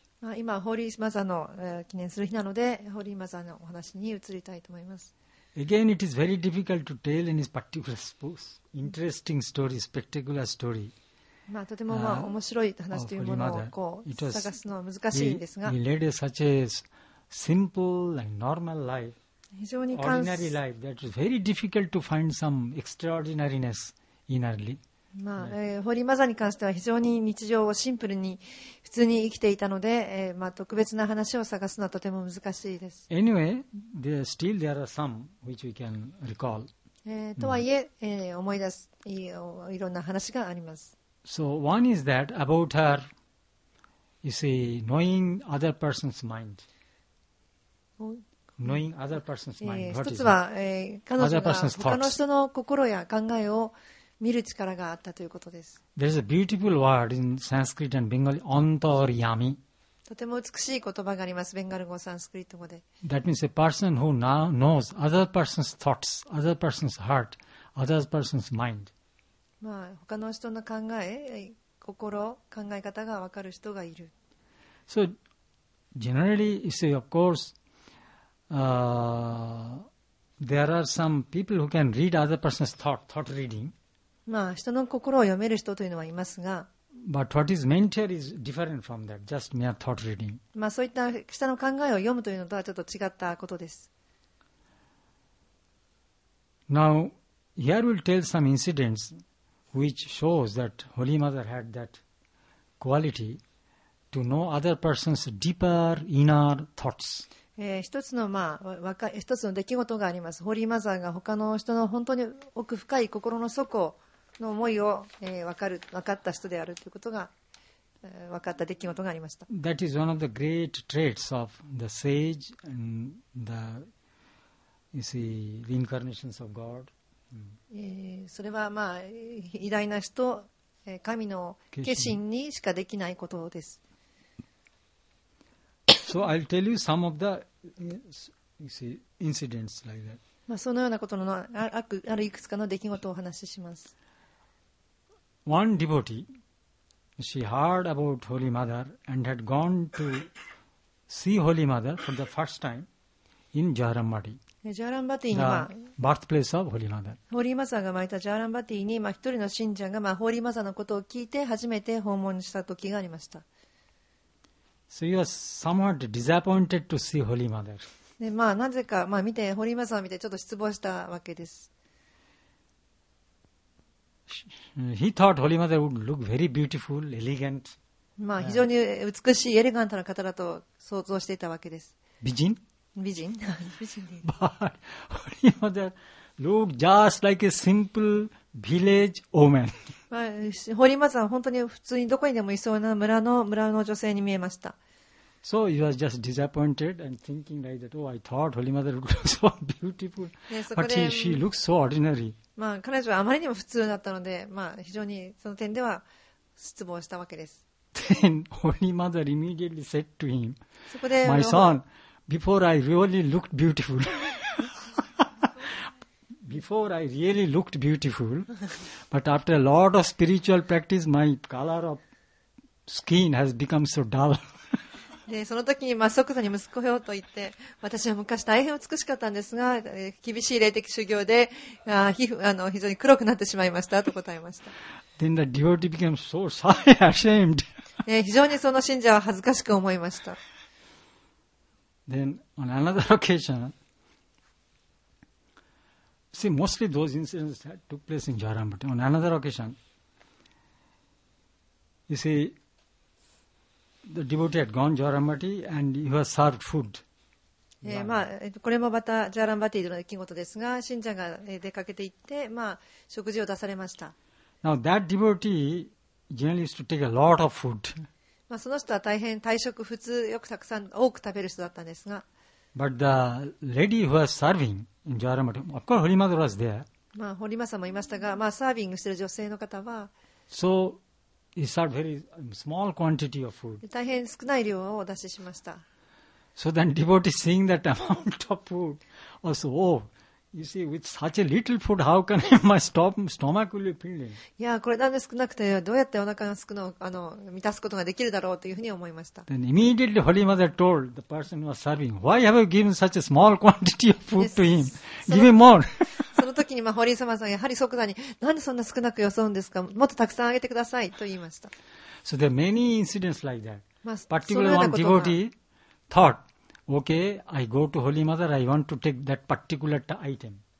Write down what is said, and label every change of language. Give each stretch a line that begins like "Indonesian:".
Japanese: まあ、今ホーリーマザーの記念する日なのでホーリーマザーのお話に移りたいと思います。
English: Again it is very difficult to tell any particular spouse interesting story, spectacular story、
Japanese: まあ、とてもまあ面白い話というものをこう探すのは難しいんですが、
English: he led such a simple and normal life、
Japanese: 非常に
English: ordinary life that is very difficult to find some extraordinariness in our life
Japanese: まあ、ホーリーマザーに関しては非常に日常をシンプルに普通に生きていたので、まあ、特別な話を探すのはとても難しいです。
English: Anyway, there still there are some which we can recall、
Japanese: とはいえ、思い出す いろんな話があります。
English: So one is that about her, you see, knowing other person's mind. Knowing other person's mind.
Japanese: 一つは、彼女が他の人の心や考えを見る力があったということです。
English: There is a beautiful word in Sanskrit and Bengali, Antaryami.
Japanese: とても美しい言葉があります、ベンガル語サンスクリット語で。
English: That means a person who now knows other person's thoughts, other person's heart, other person's mind.
Japanese: まあ、他の人の考え、心、考え方が分かる人がいる。
English: So, generally, you say, of course, there are some people who can read other person's thought, thought reading.
Japanese: まあ、人の心を読める人というのはいますが、
English: But what is mental is different from that, just mere thought reading.
Japanese: まあ、そういった人の考えを読むというのとはちょっと違ったことです。
English: Now, here we'll tell some incidents which shows that Holy Mother had that quality to know other person's deeper inner thoughts.
Japanese: 一つの出来事があります。ホーリーマザーが他の人の本当に奥深い心の底の思いを、分かった人であるということが、分かった出来事がありました。
English: That is one of the great traits of the sage and the, you see, the incarnations of God.、
Japanese: それは、まあ、偉大な人、神の化身にしかできないことです。
English: So I'll tell you some of the yes, you see, incidents like that.
Japanese: まあ、そのようなことの あるいくつかの出来事をお話しします。
English: One devotee, she heard about Holy Mother and had gone to see Holy Mother for the first time in Jharambati. Jharambati
Japanese: には、
English: birthplace of Holy Mother.
Japanese: Holy Mother が生まれたジャーランバティに、まあ、一人の信者が、まあ、Holy Mother のことを聞いて初めて訪問した時がありました。
English: So he was somewhat disappointed to see Holy Mother.
Japanese: で、まあ、なぜか、まあ、見て、ホリーマザーを見てちょっと失望したわけです。
English: He thought Holy Mother would look very beautiful, elegant.
Japanese: まあ、非常に美しい、エレガントな方だと想像していたわけです。美人？美人。美人で。
English: But Holy Mother looked just like a simple village woman.
Japanese: まあ、ホリーマザーは本当に普通にどこにでもいそうな村の女性に見えました。
English: So he was just disappointed and thinking like that. Oh, I thought Holy Mother would look so beautiful, but she looks so ordinary.
Japanese: まあ、彼女はあまりにも普通だったので、まあ、非常にその点では失望したわけです。
English: Then Holy Mother immediately said to him, "My son, before I really looked beautiful." Before I really looked beautiful, but after a lot of spiritual practice, my color of skin has become so dull.
Japanese: で、その時に、まあ、即座に息子よと言って、私は昔大変美しかったんですが、厳しい霊的修行で、皮膚、非常に黒くなってしまいましたと答えました。
English: Then the devotee became so shy, ashamed.
Japanese: 非常にその信者は恥ずかしく思いました。
English: Then on another occasion,See, mostly those incidents that took place in Jharambati. On another occasion, you see, the devotee had gone Jharambati and he was served food.
Japanese: まあ、これもまたジャーランバティの出来事ですが、信者が出かけて行って、まあ、食事を出されました。
English: Now, that devotee generally used to take a lot of food.
Japanese: まあ、その人は大変大食、普通よくたくさん多く食べる人だったんですが、
English: But the lady who was serving in Jharambati, of course, Holy Mother was there.
Japanese: まあ、ホリマサもいましたが、まあ、サービングしている女性の方は、
English: So, he served very small quantity of food.
Japanese: 大変少ない量をお出ししました。
English: So then, devotee seeing that amount of food, also, oh, You see, with such a little food, how can my stomach will be filled?
Japanese: Yeah, これなんで少なくてどうやってお腹が少なあの満たすことができるだろうというふうに思いました。
English: Then immediately, Holy Mother told the person who was serving, "Why have you given such a small quantity of food to him? Give him more."
Japanese: その時にまあ堀井様さんやはり即座になんでそんな少なく装うんですか。もっとたくさんあげてくださいと言いました。
English: So there are many incidents like that. Particularly one devotee thought. Okay, I go to Holy Mother. I want to take that particular item.